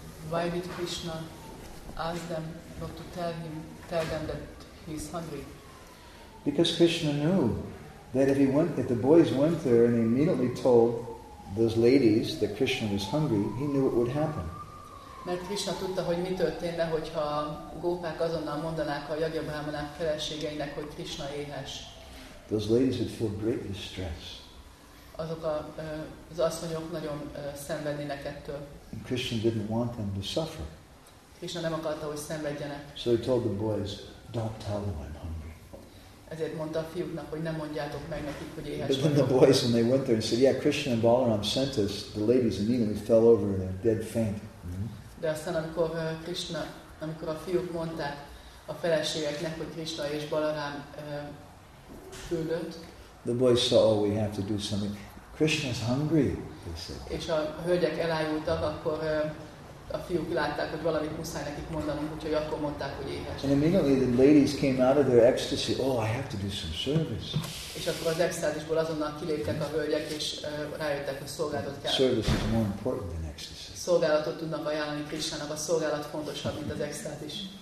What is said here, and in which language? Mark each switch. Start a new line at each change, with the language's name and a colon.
English: Why did Krishna ask them not to tell them that he's hungry? Because Krishna knew that if the boys went there and immediately told those ladies that Krishna was hungry, he knew what would happen.
Hungarian: Mert Krishna tudta, hogy mi történne, hogyha a gópák azonnal mondanák a
English: younger
Hungarian: Brahmanák feleségeinek, hogy Krishna éhes.
English: Those ladies would feel great distress.
Hungarian: Azok a, az asszonyok nagyon szenvednének ettől.
English: And Krishna didn't want them to suffer.
Hungarian: Krishna nem akarta, hogy szenvedjenek.
English: So he told the boys, don't tell them I'm hungry.
Hungarian: Ezért mondta a fiúknak, hogy nem mondjátok meg nekik, hogy éhes.
English: But then the boys, when they went there and said, yeah, Krishna and Balaram sent us, the ladies immediately fell over in a dead faint.
Hungarian: De aztán, amikor Krishna, amikor a fiúk mondták a feleségeknek, hogy Krishna és Balaram küldött,
English: the boys saw, oh, we have to do something. Krishna's hungry, they said.
Hungarian: És a hölgyek elájultak, akkor a fiúk látták, hogy valamit muszáj nekik mondanunk, úgyhogy akkor mondták, hogy éhes.
English: And immediately the ladies came out of their ecstasy, oh, I have to do some service.
Hungarian: És akkor az extázisból azonnal kiléptek a hölgyek, és rájöttek, hogy szolgálatot kell.
English: Service is more important than ecstasy.
Hungarian: Szolgálatot tudnak ajánlani Krishnának, a szolgálat fontosabb, mint az extázis.